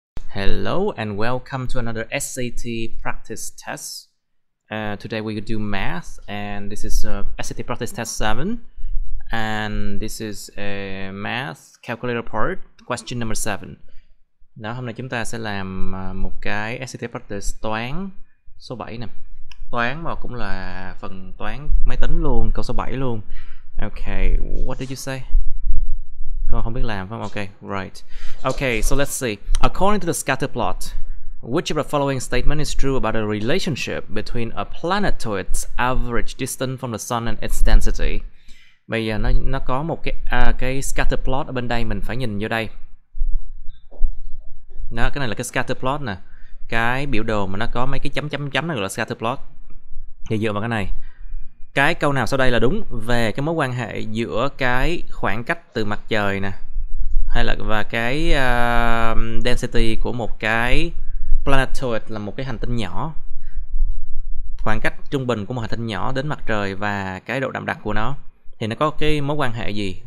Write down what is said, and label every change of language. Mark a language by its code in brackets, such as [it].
[en] Hello and welcome to another SAT practice test. Today we will do math, and this is SAT practice test 7, and this is a math calculator part, question number 7. [vi] Đó, hôm nay chúng ta sẽ làm một cái SAT practice toán số 7 nè. Toán mà cũng là phần toán máy tính luôn, câu số 7 luôn. [en] Okay, what did you say? [vi] Con không biết làm phải không? [en] Okay, right. Okay, so let's see. According to the scatter plot, which of the following statement is true about a relationship between a planetoid's average distance from the sun and its density? [vi] Bây giờ nó có một cái scatter plot ở bên đây, mình phải nhìn vô đây. Nó cái này là cái scatter plot nè. Cái biểu đồ mà nó có mấy cái chấm chấm chấm nó gọi là scatter plot. Thì dựa vào cái này, cái câu nào sau đây là đúng về cái mối quan hệ giữa cái khoảng cách từ mặt trời nè, hay là và cái density của một cái planetoid là một cái hành tinh nhỏ, khoảng cách trung bình của một hành tinh nhỏ đến mặt trời và cái độ đậm đặc của nó, thì nó có cái mối quan hệ gì?